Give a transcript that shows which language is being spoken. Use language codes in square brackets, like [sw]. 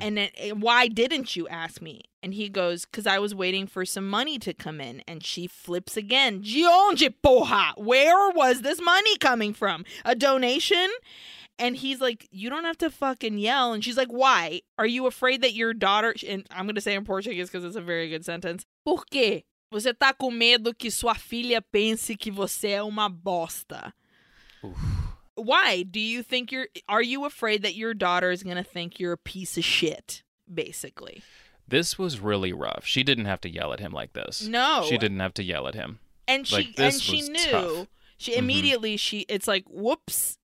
[en] And then, why didn't you ask me? And he goes, because I was waiting for some money to come in. And she flips again. Gionji poha, where was this money coming from? A donation? And he's like, you don't have to fucking yell. And she's like, why? Are you afraid that your daughter, and I'm going to say in Portuguese because it's a very good sentence. [pt] Por que você tá com medo que sua filha pense que você é uma bosta? [en] Why do you think are you afraid that your daughter is going to think you're a piece of shit, basically? This was really rough. She didn't have to yell at him like this. No. She didn't have to yell at him. And she knew. She immediately, mm-hmm. It's like, whoops.